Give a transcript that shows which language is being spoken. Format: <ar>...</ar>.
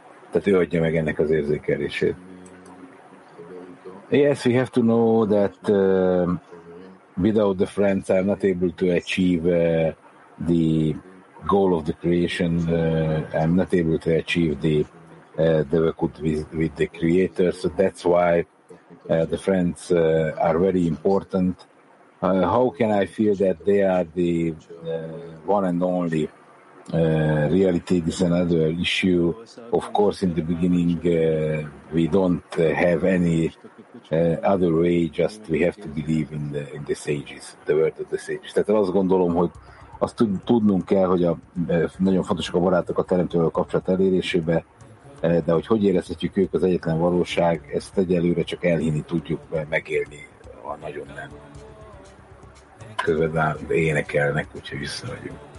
<hu>Tehát ő adja meg ennek az érzékelését.</hu> <en>Yes, we have to know that without the friends, I'm not able to achieve the goal of the creation. I'm not able to achieve the Vekut with the Creator. So that's why the friends are very important. How can I feel that they are the one and only reality? This is another issue. Of course, in the beginning, we don't have any other way, just we have to believe in the sages, the word of the sages.</en> <hu>Tehát azt gondolom, hogy azt tudnunk kell, hogy nagyon fontosak a barátok a teremtővel kapcsolat elérésébe, de hogy érezhetjük ők az egyetlen valóság, ezt egyelőre csak elhinni tudjuk megélni, ha nagyon nem. Közben énekelnek, úgyhogy visszavagyunk.</hu>